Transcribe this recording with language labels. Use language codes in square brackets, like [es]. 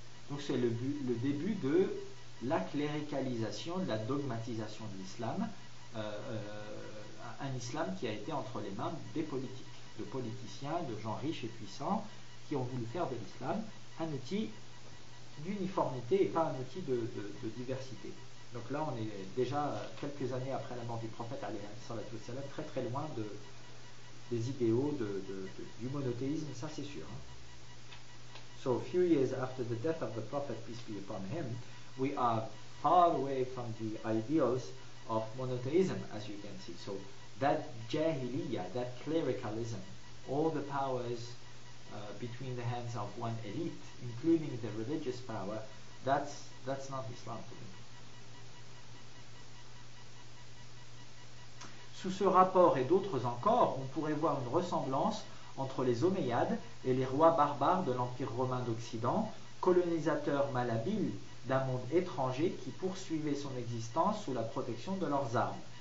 [fr] Donc c'est le début de la cléricalisation, de la dogmatisation de l'islam, un islam qui a été entre les mains des politiques, de politiciens, de gens riches et puissants qui ont voulu faire de l'islam un outil d'uniformité et pas un outil de diversité. Donc là on est déjà quelques années après la mort du prophète, très très loin des idéaux du monothéisme, ça c'est sûr, hein. [en] So a few years after the death of the Prophet, peace be upon him, we are far away from the ideals of monotheism, as you can see. So that jahiliya, that clericalism, all the powers between the hands of one elite, including the religious power, that's not Islam to me. [fr] Sous ce rapport et d'autres encore, on pourrait voir une ressemblance entre les Omeyyades et les rois barbares de l'Empire romain d'Occident, colonisateurs malhabiles d'un monde étranger qui poursuivait son existence sous la protection de leurs armes.